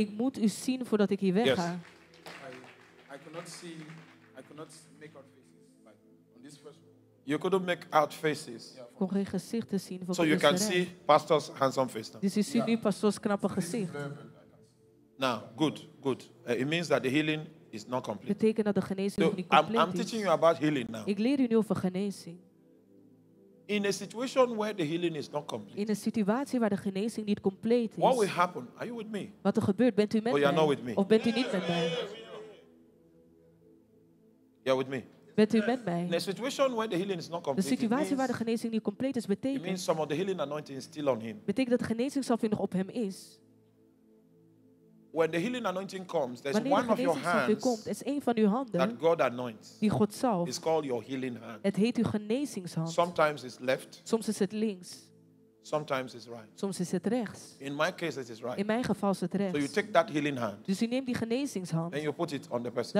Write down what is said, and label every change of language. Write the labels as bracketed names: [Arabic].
[Dutch] Ik moet u zien voordat ik hier wegga. [English] Yes. I could not see. I could not make out faces. Like, on this first one. You couldn't make out faces. [Dutch] Ik kon geen gezichten zien. [English] So you can see pastor's handsome face now. [Dutch] Dus u ziet nu pastor's knappe gezicht. [English] Now, good, good. It means that the healing is not complete. [Dutch] Betekent dat de genezing niet compleet is. [English] I'm teaching you about healing now. [Dutch] Ik leer u nu over genezing. [English] In a situation where the healing is not complete. [Dutch] In een situatie waar de genezing niet compleet is. [English] What will happen? Are you with me? [Dutch] Wat er gebeurt, bent u met mij? [English] Or you're not with me? [Dutch] Of bent u niet met mij? [English] You're with me. [Dutch] Bent u met mij? [English] In a situation where the healing is not complete. [Dutch] De situatie waar de genezing niet compleet is, betekent. [English] It means some of the healing anointing is still on him. [Dutch] Betekent dat de genezing zelf nog op hem is? [English] When the healing anointing comes, there's one of your hands [Dutch] komt, is een van uw handen [English] that God anoints. [Dutch] Die God zalft. [English] It's called your healing hand. [Dutch] Het heet uw genezingshand. [English] Sometimes it's left. [Dutch] Soms is het links. [English] Sometimes it's right. [Dutch] Soms is het rechts. [English] In my case, it is right. [Dutch] In mijn geval is het rechts. [English] So you take that healing hand. [Dutch] Dus u neemt die genezingshand. [English] And you put it on the person.